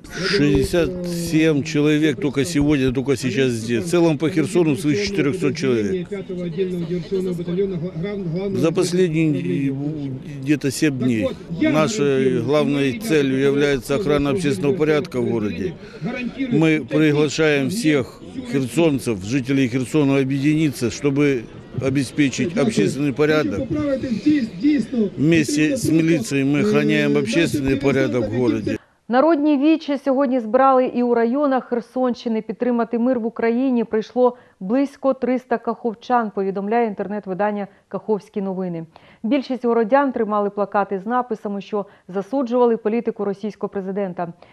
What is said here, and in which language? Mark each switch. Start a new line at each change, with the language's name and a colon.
Ukrainian: 67 чоловік тільки сьогодні, тільки зараз є. В цілому по Херсону свої 400 чоловік. За останні десь 7 днів нашою головною ціллю є охорона
Russian: общественного порядка
Ukrainian: в місті.
Russian: Мы приглашаем всех херсонцев, жителей Херсона, объединиться, чтобы обеспечить общественный порядок. Вместе с милицией мы охраняем общественный порядок в городе.
Ukrainian: Народні вічі сьогодні збирали і у районах Херсонщини. Підтримати мир в Україні прийшло близько 300 каховчан, повідомляє інтернет-видання «Каховські новини». Більшість городян тримали плакати з написами, що засуджували політику російського президента.